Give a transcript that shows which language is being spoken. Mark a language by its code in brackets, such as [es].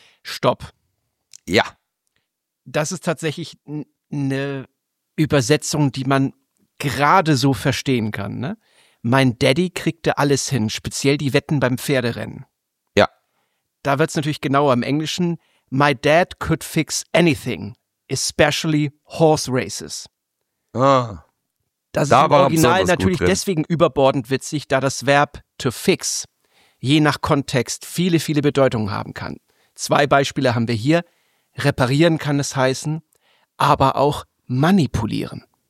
[de] Stopp. Ja. Das ist tatsächlich eine Übersetzung, die man gerade so verstehen kann. Ne? Mein Daddy kriegte alles hin, speziell die Wetten beim Pferderennen. Ja. Da wird es natürlich genauer im Englischen. [en] My dad could fix anything, especially horse races. [de] Ah. Das ist im Original natürlich deswegen überbordend witzig, da das Verb to fix je nach Kontext viele, viele Bedeutungen haben kann. Zwei Beispiele haben wir hier. Reparieren kann es heißen, aber auch manipulieren.